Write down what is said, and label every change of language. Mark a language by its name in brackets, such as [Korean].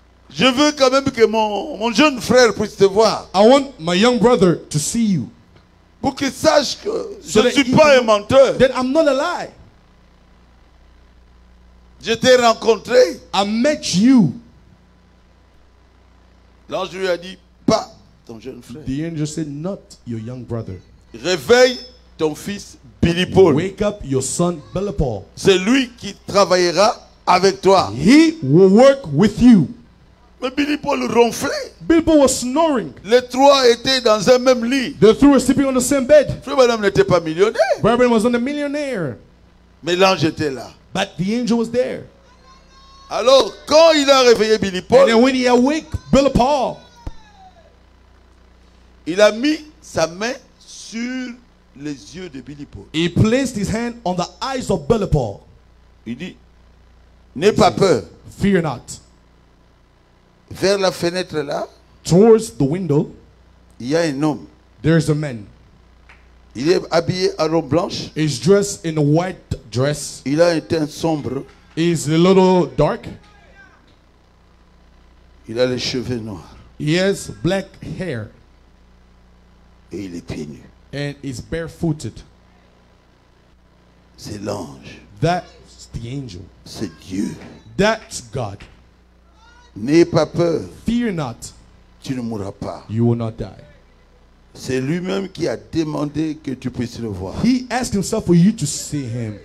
[French] Je veux quand même que mon jeune frère puisse te voir. [English] I want my young brother to see you. [French] Pour qu'il sache que je ne suis pas un menteur. [English] That I'm not a lie. [French] Je t'ai rencontré. [English] I met you. [French] L'ange lui a dit, pas ton jeune frère. [English] The angel said, not your young brother. [French] Réveille ton fils Billy Paul. [English] Wake up your son Billy Paul. [French] C'est lui qui travaillera avec toi. [English] He will work with you. [French] Mais Billy Paul ronflait. [English] Billy Paul was snoring. [French] Les trois étaient dans un même lit. [English] The three were sleeping on the same bed. [French] Frère Branham n'était pas millionnaire. [English] Frère Branham was not a millionaire. [French] Mais l'ange était là. [English] But the angel was there. [French] Alors, quand il a réveillé Billy Paul, [English] and then when he awake Billy Paul, [French] il a mis sa main sur les yeux de Billy Paul. [English] He placed his hand on the eyes of Billy Paul. [French] Il dit, n'aie pas peur. [English] Fear not. [French] Vers la fenêtre là, [English] towards the window, [French] il y a un homme. [English] There is a man. [French] Il est habillé en robe blanche. [English] He's dressed in a white dress. [French] Il a un teint sombre. [English] Is a little dark. [French] Il a les cheveux noirs. [English] He has black hair. [French] Et il est pieds nus. [English] And he's barefooted. [French] C'est l'ange. [English] That's the angel. [French] C'est Dieu. [English] That's God. [French] N'aie pas peur. [English] Fear not. [French] Tu ne mourras pas. [English] You will not die. [French] C'est lui-même qui a demandé que tu puisses le voir. [English] He asked himself for you to see him.